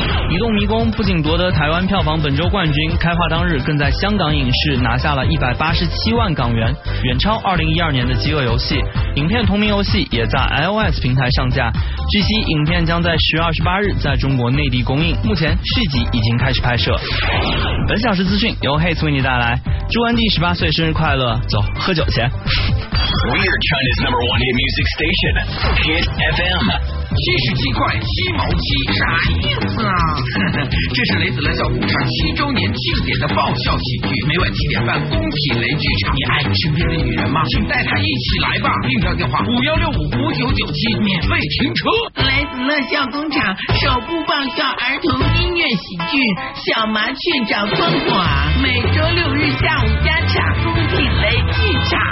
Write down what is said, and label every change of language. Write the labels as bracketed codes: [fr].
[zh] 移动迷宫不仅夺得台湾票房本周冠军，开画当日更在香港影视拿下了187万港元，远超2012年的饥饿游戏。影片同名游戏也在 iOS 平台上架，据悉影片将在10月28日在中国内地公映，目前续集已经开始拍摄。本小时资讯由 Hates 为你带来，祝安迪18岁生日快乐，走喝酒去。 [en] We're China's number one hit music station, Hit FM. [zh] 七十七块七毛七，啥意思啊？这是雷子乐笑工厂7周年庆典的爆笑喜剧，每晚7点半，工体雷剧场。你爱身边的女人吗？请带她一起来吧！订票电话5165-5997，免费停车。雷子乐笑工厂首部爆笑儿童音乐喜剧《小麻雀找光华》，每周六日下午加场，工体雷剧场。